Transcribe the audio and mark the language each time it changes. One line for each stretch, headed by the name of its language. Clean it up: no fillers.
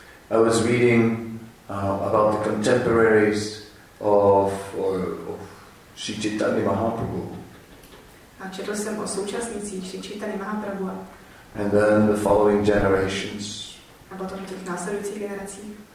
English: I was reading about the contemporaries of Sri Chaitanya Mahaprabhu.
Czech: A četl jsem o současnících Sri Chaitanya Mahaprabhu.
English: And then the following generations.
Czech: A potom těch následujících generací.